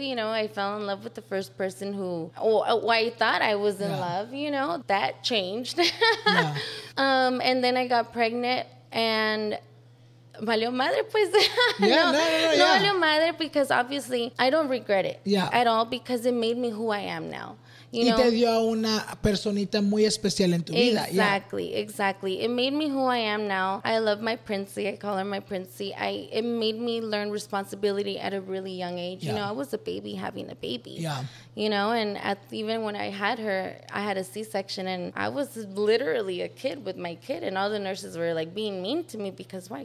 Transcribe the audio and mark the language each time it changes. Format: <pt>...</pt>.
<en>You know, I fell in love with the first person who I thought I was in love, you know, that changed. And then I got pregnant and</en> <es>valió madre, pues. Valió madre,</es> <en>because obviously I don't regret it at all, because it made me who I am now. You know?</en> <es>Y te dio a una personita muy especial en tu vida.</es> <en>Exactly. It made me who I am now. I love my princey. I call her my princey. It made me learn responsibility at a really young age. Yeah. You know, I was a baby having a baby. Yeah. You know, and even when I had her, I had a C-section, and I was literally a kid with my kid, and all the nurses were, like, being mean to me because why?</en>